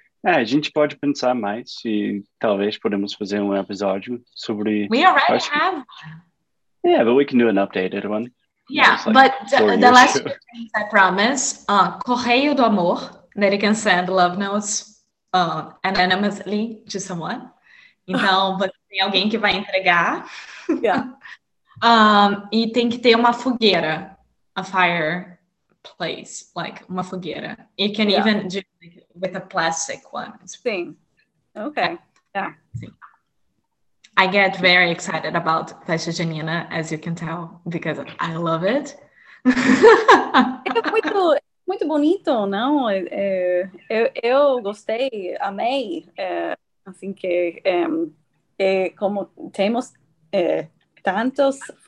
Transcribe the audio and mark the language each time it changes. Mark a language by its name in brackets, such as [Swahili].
[Portuguese] É, a gente pode pensar mais e talvez podemos fazer um episódio sobre... [English] We already have. Yeah, but we can do an updated one. Yeah, like, but the last two things I promise, Correio do Amor, that you can send love notes anonymously to someone. [Portuguese] Então, tem alguém que vai entregar. Yeah. E tem que ter uma fogueira, [English] a fireplace, like, [Portuguese] uma fogueira. [English] You can even do it with a plastic one. Sim. Okay. Yeah. Sim. I get very excited about festa junina, as you can tell, because I love it. [Portuguese] É muito, muito bonito, não? Eu gostei, amei, assim que, como temos... tantos